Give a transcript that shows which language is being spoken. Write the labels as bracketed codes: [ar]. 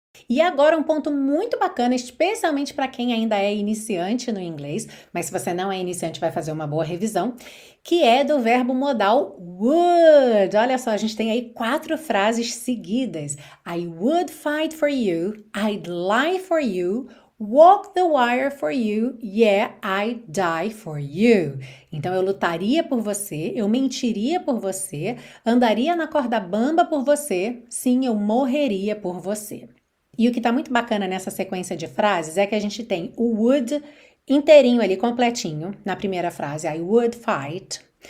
[pt] E agora um ponto muito bacana, especialmente para quem ainda é iniciante no inglês, mas se você não é iniciante vai fazer uma boa revisão, que é do verbo modal would. Olha só, a gente tem aí quatro frases seguidas. [en] I would fight for you, I'd lie for you, walk the wire for you, yeah, I'd die for you. [pt] Então eu lutaria por você, eu mentiria por você, andaria na corda bamba por você, sim, eu morreria por você. E o que tá muito bacana nessa sequência de frases é que a gente tem o would inteirinho ali, completinho, na primeira frase, [en] I would fight.